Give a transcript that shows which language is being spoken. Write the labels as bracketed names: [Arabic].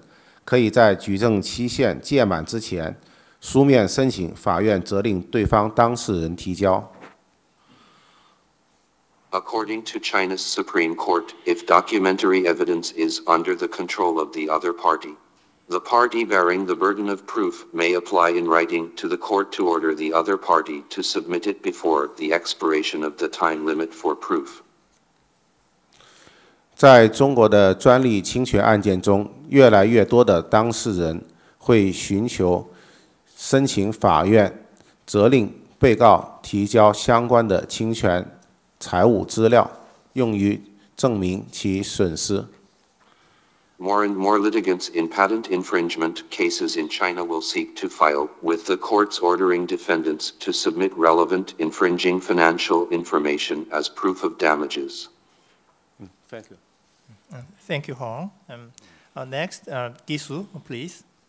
[Chinese] 根据中国的最高法院的规定，如果诉讼在对方当事人的控制之下的，承担举证责任的当事人，可以在举证期限届满之前。 [English] According to China's Supreme Court, if documentary evidence is under the control of the party bearing the burden of proof may apply in writing to the court to order the other party to submit it before the expiration of the time limit for proof. [Chinese] 在中国的专利侵权案件中，越来越多的当事人会寻求。申请法院责令被告提交相关的侵权财务资料，用于证明其损失。 [English] More and more litigants in patent infringement cases in China will seek to file with the courts ordering defendants to submit relevant infringing financial information as proof of damages. Thank you. Thank you, Hong. Next, Kisu, please.